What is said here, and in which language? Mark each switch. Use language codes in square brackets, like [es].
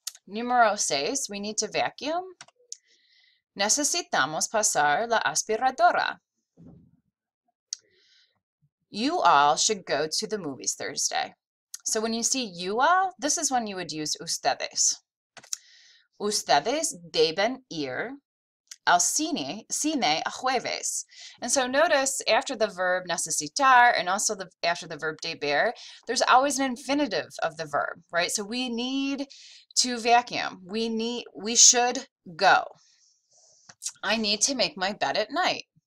[es] Número seis, [en] we need to vacuum. [es] Necesitamos pasar la aspiradora. [en] You all should go to the movies Thursday. So when you see you all, this is when you would use ustedes. [es] Ustedes deben ir al cine, cine a jueves. [en] And so notice after the verb necesitar and also after the verb deber, there's always an infinitive of the verb, right? So we need to vacuum. We should go. I need to make my bed at night.